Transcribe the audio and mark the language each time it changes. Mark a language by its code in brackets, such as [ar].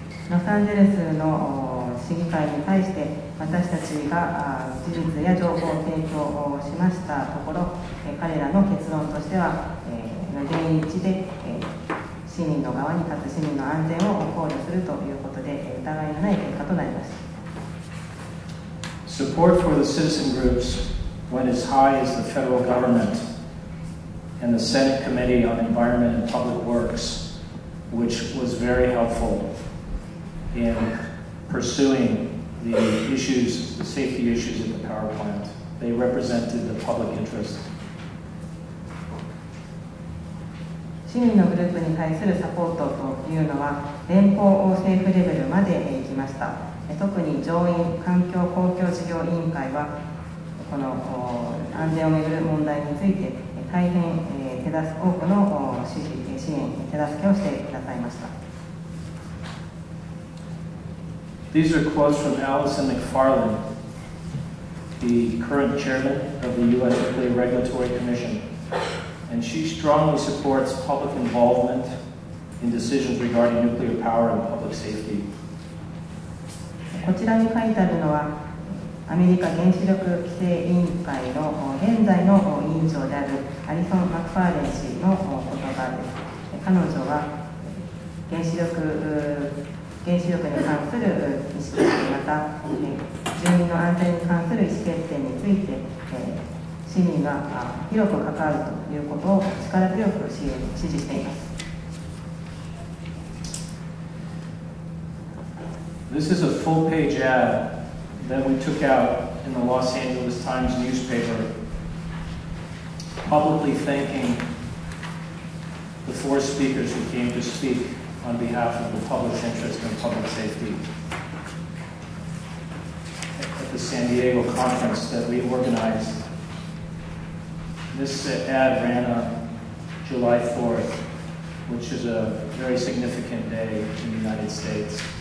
[ja] ロサンゼルスの市議会に対して私たちが事実や情報を提供をしましたところ、彼らの結論としては、全員一致で、市民の側に立つ市民の安全を考慮するということで疑いのない結果となりました [en] Support for the citizen groups went as high as the federal government and the Senate Committee on Environment and Public Works, which was very helpful in pursuing the issues, the safety issues at the power plant. They represented the public interest. [ja] 市民のグループに対するサポートというのは連邦政府レベルまで行きました。特に上院環境公共事業委員会はこの安全をめぐる問題について大変手助け、多くの支援、手助けをしてくださいました。 [en] These are quotes from Allison McFarland, the current chairman of the U.S. Nuclear Regulatory Commission. And she strongly supports public involvement in decisions regarding nuclear power and public safety. [ja] こちらに書いてあるのはアメリカ原子力規制委員会の現在の委員長であるアリソン・マクファーレン氏の言葉です。彼女は原子力に関する意思決定、また住民の安全に関する意思決定について市民が広く関わるということを力強く支持しています。 [en] This is a full page ad that we took out in the Los Angeles Times newspaper publicly thanking the four speakers who came to speak on behalf of the public interest and public safety at the San Diego conference that we organizedThis ad ran on July 4th, which is a very significant day in the United States.